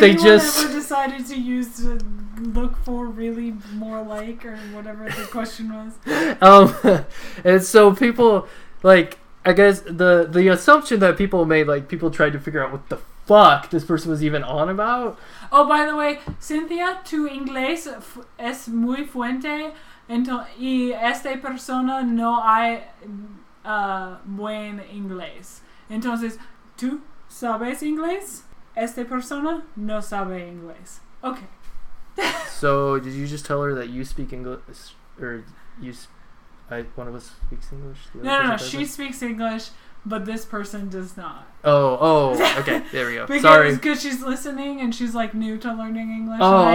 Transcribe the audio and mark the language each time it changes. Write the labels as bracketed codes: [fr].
[en] they just... ever decided to use to look for really more like or whatever the question was? And so people, like, I guess the assumption that people made, like, people tried to figure out what the fuck this person was even on about. [es] Oh, by the way, Cynthia, tu inglés es muy fuerte. Y esta persona no hay buen inglés. Entonces, ¿tú sabes inglés? Esta persona no sabe inglés. [en] Okay. So, did you just tell her that you speak English? Or you, one of us speaks English? No. She speaks English, but this person does not. Oh, okay. There we go. Because, sorry. Because she's listening and she's like new to learning English. Oh, and I